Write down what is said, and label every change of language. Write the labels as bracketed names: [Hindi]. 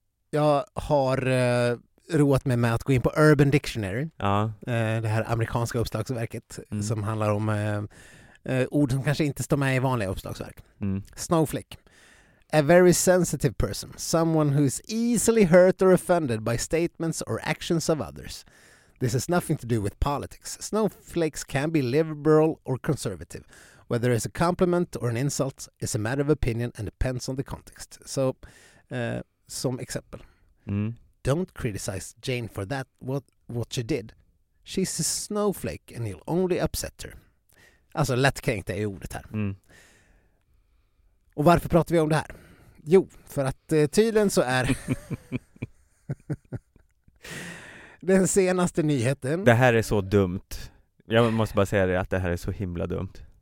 [Swedish] Jag har roat mig med att gå in på Urban Dictionary. Ja. Det här amerikanska uppslagsverket som handlar om ord som kanske inte står med i vanliga uppslagsverk. Mm. Snowflake. [English] A very sensitive person. Someone who is easily hurt or offended by statements or actions of others. This has nothing to do with politics. Snowflakes can be liberal or conservative. Whether it's a compliment or an insult is a matter of opinion and depends on the context. [Swedish] So, som exempel. Mm. [English] Don't criticize Jane for that, what she did. She's a snowflake and you'll only upset her. [Swedish] Alltså, lättkränkt är ordet här. Mm. Och varför pratar vi om det här? Jo, för att tydligen så är... den senaste nyheten... Det här är så dumt. Jag måste bara säga det, att det här är så himla dumt.